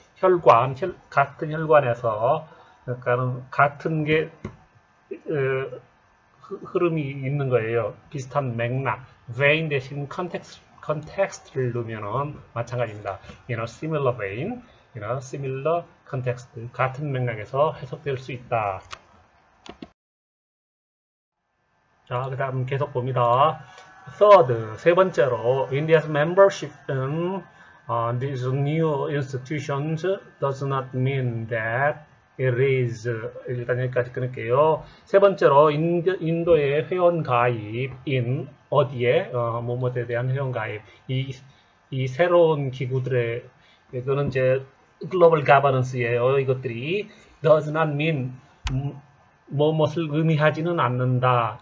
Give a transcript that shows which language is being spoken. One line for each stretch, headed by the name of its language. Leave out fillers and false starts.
Korean: 혈관, 같은 혈관에서 그러니까는 같은 게 흐름이 있는 거예요. 비슷한 맥락. vein 대신 context를 넣으면 마찬가지입니다.
English: In a similar vein, in a similar context.
Korean: 같은 맥락에서 해석될 수 있다. 자, 그 다음 계속 봅니다.
English: Third,
Korean: 세 번째로,
English: India's membership in these new institutions does not mean that It is.
Korean: 일단 여기까지 끊을게요. 세 번째로, 인도의 회원 가입, in, 어디에, 뭐뭐에 대한 회원 가입. 이 새로운 기구들의, 이거는 이제, 글로벌 가버넌스예요. 이것들이.
English: does not mean,
Korean: 뭐뭐를 의미하지는 않는다.